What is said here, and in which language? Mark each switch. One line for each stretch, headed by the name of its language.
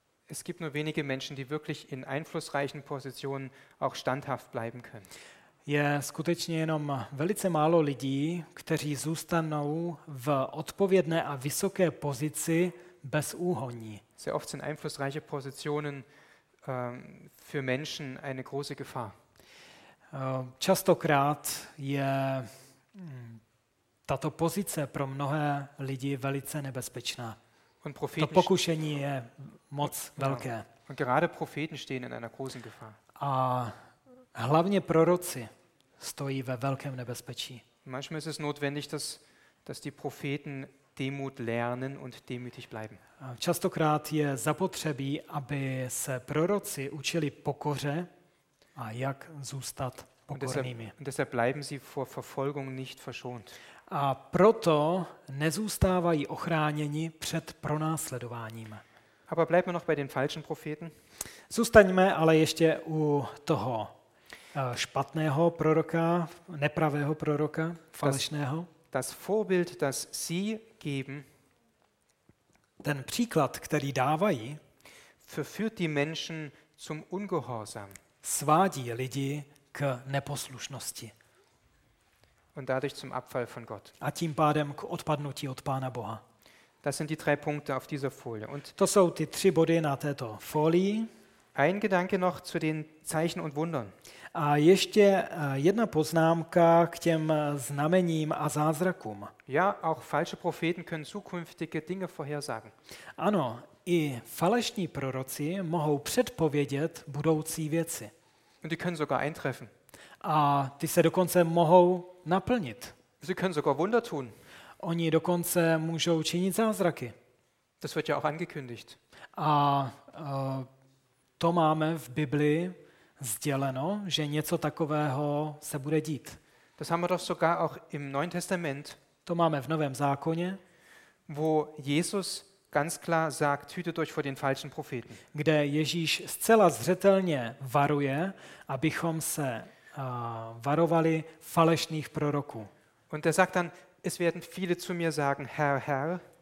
German: Es gibt nur wenige Menschen, die wirklich in einflussreichen Positionen auch standhaft bleiben können.
Czech: Je skutečně jenom velice málo lidí, kteří zůstanou v odpovědné a vysoké pozici bez úhoní.
German: Sehr oft sind einflussreiche Positionen für Menschen eine große Gefahr.
Czech: Častokrát je tato pozice pro mnohé lidi velice nebezpečná.
German: Und Propheten
Czech: to pokušení je moc velké.
German: Und gerade Propheten stehen in einer großen Gefahr.
Czech: A hlavně proroci stojí ve velkém nebezpečí.
German: Manchmal ist es notwendig, dass die Propheten Demut lernen und demütig bleiben.
Czech: Častokrát je zapotřebí, aby se proroci učili pokoře a jak zůstat pokornými.
German: Und deshalb bleiben sie vor Verfolgung nicht verschont.
Czech: A proto nezůstávají ochráněni před pronásledováním.
German: Aber bleiben wir noch bei den falschen Propheten?
Czech: Zůstaňme ale ještě u toho špatného proroka, nepravého proroka, falešného.
German: Das Vorbild, das sie geben,
Czech: ten příklad, který dávají,
German: verführt die Menschen zum Ungehorsam.
Czech: Svádí lidi k neposlušnosti.
German: Und dadurch zum Abfall von Gott.
Czech: A tím pádem k odpadnutí od Pána Boha.
German: Das sind die drei Punkte auf dieser Folie.
Czech: Und to jsou ty tři body na této folii.
German: Ein Gedanke noch zu den Zeichen und Wundern.
Czech: A ještě jedna poznámka k těm znamením a zázrakům.
German: Ja, auch falsche Propheten können zukünftige Dinge vorhersagen.
Czech: Ano, i falešní proroci mohou předpovědět budoucí věci.
German: Und die können sogar eintreffen.
Czech: A ty se dokonce mohou naplnit.
German: Sie können sogar Wunder tun.
Czech: Oni dokonce můžou činit zázraky.
German: Das wird ja auch angekündigt.
Czech: A to máme v Biblii sděleno, že něco takového se bude dít.
German: Das haben wir doch sogar auch im Neuen Testament.
Czech: To máme v Novém zákoně,
German: wo Jesus ganz klar sagt, hütet euch vor den falschen Propheten.
Czech: Kde Ježíš zcela zřetelně varuje, abychom se varovali falešných proroků.
German: Und er sagt dann, es werden viele zu mir sagen, Herr, Herr.